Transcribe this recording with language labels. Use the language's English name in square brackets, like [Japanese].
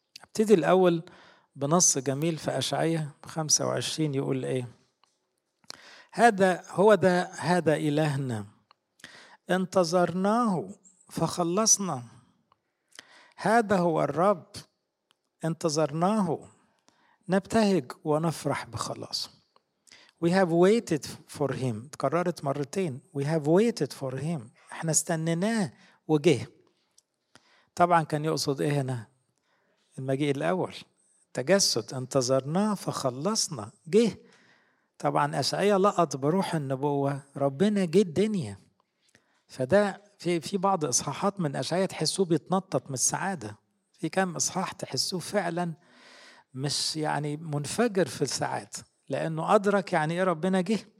[Arabic] ابتدي الأول بنص جميل في أشعية 25، يقول إيه؟ هذا إلهنا انتظرناه فخلصنا، هذا هو الرب انتظرناه نبتهج ونفرح بخلاص. [English] We have waited for him، [Arabic] تكررت مرتين، [English] We have waited for him، [Arabic] احنا استنيناه وجه. طبعا كان يقصد إيه هنا؟ المجيء الأول، تجسد، انتظرناه فخلصنا، جه. طبعا أشعياء لقط بروح النبوة، ربنا جه الدنيا. فده في بعض إصحاحات من أشعياء تحسوه بيتنطط من السعادة، في كم إصحاح تحسوه فعلا مش يعني منفجر في السعادة، لأنه أدرك يعني إيه ربنا جه.